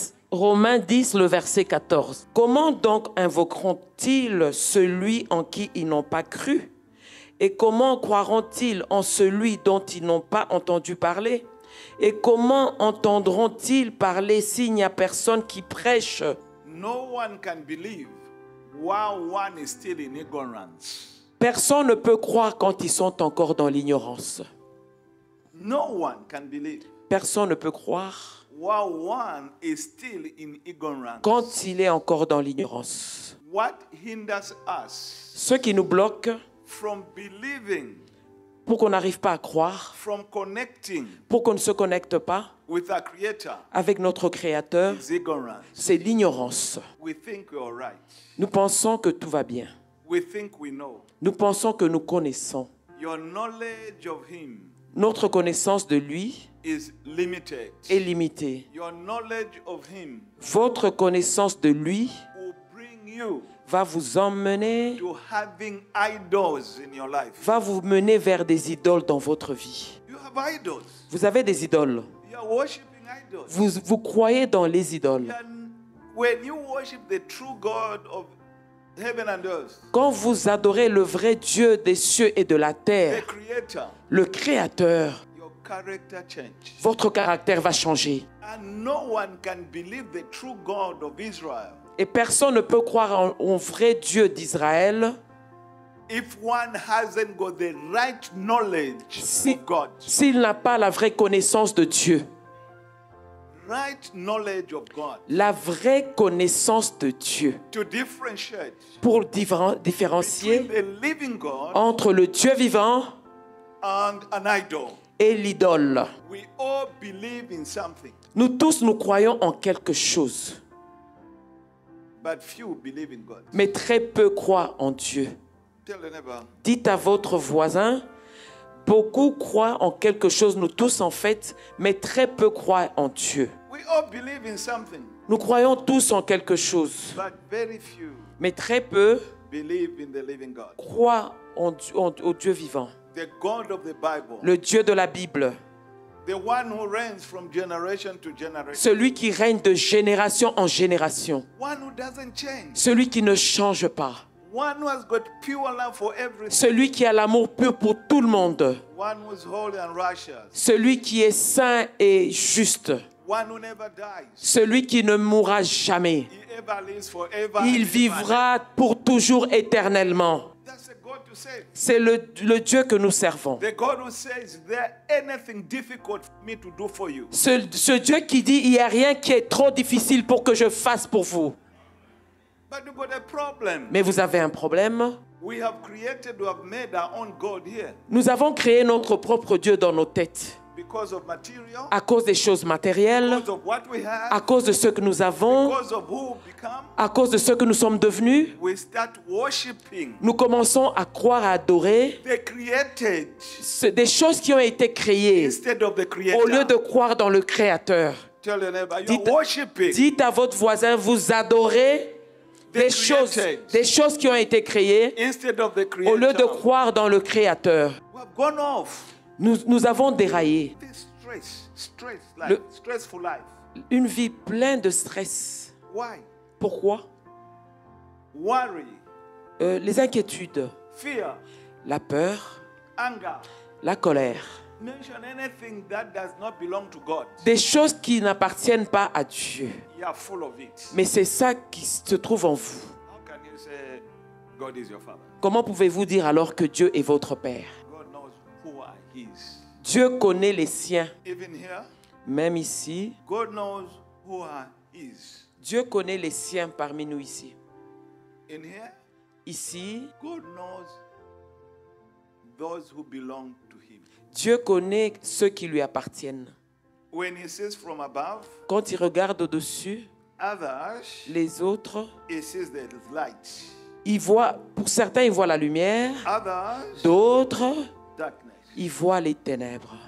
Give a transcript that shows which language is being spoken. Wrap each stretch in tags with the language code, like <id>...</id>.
<fr>Romains 10, le verset 14. Comment donc invoqueront-ils celui en qui ils n'ont pas cru? Et comment croiront-ils en celui dont ils n'ont pas entendu parler? Et comment entendront-ils parler s'il n'y a personne qui prêche?</fr> <en>No one can believe while one is still in ignorance.</en> <fr>Personne ne peut croire quand ils sont encore dans l'ignorance.</fr> <en>No one can believe.</en> <fr>Personne ne peut croire</fr> <en>while one is still in ignorance.</en> <fr>Quand il est encore dans l'ignorance.</fr> <en>What hinders us?</en> <fr>Ce qui nous bloque</fr> <en>from believing.</en> <fr>Pour qu'on n'arrive pas à croire,</fr> <en>from connecting,</en> <fr>pour qu'on ne se connecte pas</fr> <en>with our creator,</en> <fr>avec notre Créateur,</fr> <en>is ignorance.</en> <fr>C'est l'ignorance.</fr> <en>We think we are right.</en> <fr>Nous pensons que tout va bien.</fr> <en>We think we know.</en> <fr>Nous pensons que nous connaissons.</fr> <en>Your knowledge of him</en> <fr>Notre connaissance de lui</fr> <en>is limited.</en> <fr>Est limitée.</fr> <en>Your knowledge of him</en> <fr>votre connaissance de lui</fr> <en>will bring you</en> <fr>va vous emmener</fr> <en>to having idols in your life.</en> <fr>Va vous mener vers des idoles dans votre vie.</fr> <en>You have idols.</en> <fr>Vous avez des idoles.</fr> <en>You are worshiping idols.</en> <fr>Vous croyez dans les idoles.</fr> <en>When you worship the true God of heaven and earth,</en> <fr>quand vous adorez le vrai Dieu des cieux et de la terre,</fr> <en>the creator,</en> <fr>le Créateur,</fr> <en>your character change.</en> <fr>Votre caractère va changer.</fr> <en>And no one can believe the true God of Israel.</en> <fr>Et personne ne peut croire en vrai Dieu d'Israël</fr> <en>if one hasn't got the right knowledge of God.</en> <fr>S'il n'a pas la vraie connaissance de Dieu.</fr> <en>Right knowledge of God.</en> <fr>La vraie connaissance de Dieu.</fr> <en>To differentiate</en> <fr>pour différencier</fr> <en>between the living God</en> <fr>entre le Dieu vivant</fr> <en>and an idol.</en> <fr>Et l'idole.</fr> <en>We all believe in something.</en> <fr>Nous tous, nous croyons en quelque chose.</fr> <en>But few believe in God.</en> <fr>Mais très peu croient en Dieu.</fr> <en>Tell the neighbor.</en> <fr>Dites à votre voisin, beaucoup croient en quelque chose, nous tous en fait, mais très peu croient en Dieu.</fr> <en>We all believe in something.</en> <fr>Nous croyons tous en quelque chose,</fr> <en>but very few</en> <fr>mais très peu</fr> <en>believe in the living God.</en> <fr>Croient au Dieu vivant,</fr> <en>the God of the Bible.</en> <fr>Le Dieu de la Bible.</fr> <en>The one who reigns from generation to generation.</en> <fr>Celui qui règne de génération en génération.</fr> <en>One who doesn't change.</en> <fr>Celui qui ne change pas.</fr> <en>One who has got pure love for everything.</en> <fr>Celui qui a l'amour pur pour tout le monde.</fr> <en>One who is holy and righteous.</en> <fr>Celui qui est saint et juste.</fr> <en>One who never dies.</en> <fr>Celui qui ne mourra jamais.</fr> <en>He ever lives forever.</en> <fr>Il vivra pour toujours éternellement.</fr> <en>That's a God to serve.</en> <fr>C'est le Dieu que nous servons.</fr> <en>The God who says, "Is there anything difficult for me to do for you?"</en> <fr>Ce Dieu qui dit, il n'y a rien qui est trop difficile pour que je fasse pour vous.</fr> <en>But you got a problem.</en> <fr>Mais vous avez un problème.</fr> <en>We have created, we have made our own God here.</en> <fr>Nous avons créé notre propre Dieu dans nos têtes.</fr> <en>Because of material,</en> <fr>à cause des choses matérielles.</fr> <en>Because of what we have,</en> <fr>à cause de ce que nous avons.</fr> <en>Because of who we become,</en> <fr>à cause de ce que nous sommes devenus.</fr> <en>We start worshiping.</en> <fr>Nous commençons à croire, à adorer.</fr> <en>They created,</en> <fr>des choses qui ont été créées.</fr> <en>Instead of the creator.</en> <fr>Au lieu de croire dans le Créateur.</fr> <en>Tell your neighbor, you're worshiping.</en> <fr>Dites à votre voisin, vous adorez. Des choses qui ont été créées</fr> <en>instead of the creator,</en> <fr>au lieu de croire dans le Créateur.</fr> <en>We have gone off.</en> <fr>Nous avons déraillé.</fr> <en>Stressful life.</en> <fr>Une vie pleine de stress.</fr> <en>Why?</en> <fr>Pourquoi?</fr> <en>Worry.</en> <fr>Les inquiétudes.</fr> <en>Fear.</en> <fr>La peur.</fr> <en>Anger.</en> <fr>La colère.</fr> <en>Mention anything that does not belong to God.</en> <fr>Des choses qui n'appartiennent pas à Dieu.</fr> <en>You are full of it.</en> <fr>Mais c'est ça qui se trouve en vous.</fr> <en>How can you say God is your father?</en> <fr>Comment pouvez-vous dire alors que Dieu est votre Père?</fr> <en>God knows who are his.</en> <fr>Dieu connaît les siens.</fr> <en>Even here,</en> <fr>même ici.</fr> <en>God knows who are his.</en> <fr>Dieu connaît les siens parmi nous ici.</fr> <en>In here,</en> <fr>ici.</fr> <en>God knows those who belong to him.</en> <fr>Dieu connaît ceux qui lui appartiennent.</fr> <en>When he sees from above,</en> <fr>quand il regarde au-dessus,</fr> <en>others,</en> <fr>les autres,</fr> <en>he sees the light.</en> <fr>Il voit, pour certains, il voit la lumière.</fr> <en>Others,</en> <fr>d'autres,</fr> <en>darkness.</en> <fr>Il voit les ténèbres.</fr>